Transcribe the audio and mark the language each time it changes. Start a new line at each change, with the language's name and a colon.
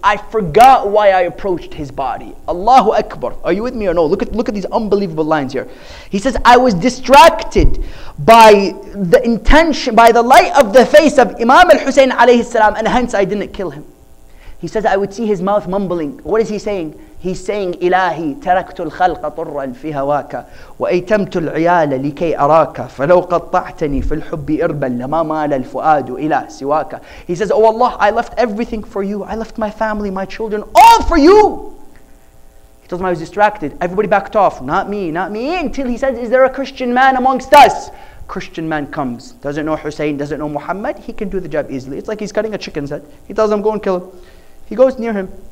English: I forgot why I approached his body. Allahu Akbar. Are you with me or no? Look at these unbelievable lines here. He says, I was distracted by the intention, by the light of the face of Imam al-Hussein alayhi salam, and hence I didn't kill him. He says, I would see his mouth mumbling. What is he saying? He's saying,
Arabic: إلهي تركت الخلق طرا في هواك وأيتمت العيال لكي أراك فلو قطعتني في الحب إربا لما مال الفؤاد إلى سواك.
English: He says, oh Allah, I left everything for you. I left my family, my children, all for you. He told him, I was distracted. Everybody backed off. Not me. Until he says, is there a Christian man amongst us? Christian man comes. Doesn't know Hussein, doesn't know Muhammad. He can do the job easily. It's like he's cutting a chicken's head. He tells him, go and kill him. He goes near him.